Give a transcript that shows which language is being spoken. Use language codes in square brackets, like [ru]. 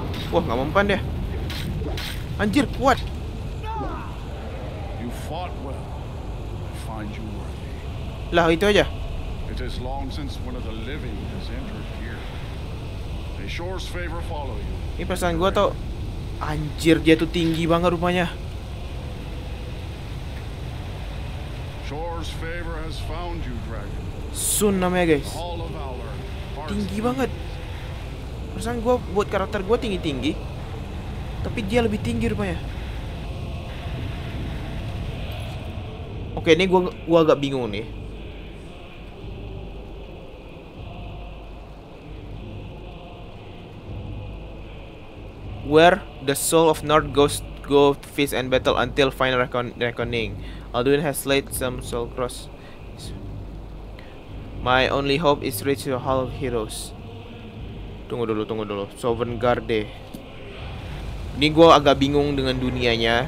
[id] Wah, enggak mempan dia. Anjir, kuat. [en] You fought well. I find you worthy. [id] Lah, itu aja. [en] It is long since one of the living has entered. Shore's favor follow you. [id] Ini pesan gua tuh anjir dia tuh tinggi banget rupanya. [en] Shore's favor has found you, dragon. [id] Sun namanya, guys. Tinggi banget. Pesan gua buat karakter gua tinggi-tinggi. Tapi dia lebih tinggi rupanya. Oke, ini gua agak bingung nih. [en] Where the soul of Nord goes go to feast and battle until final reckoning. Alduin has laid some soul cross. My only hope is reach the Hall of Heroes. [id] Tunggu dulu. Sovngarde. Ini gua agak bingung dengan dunianya.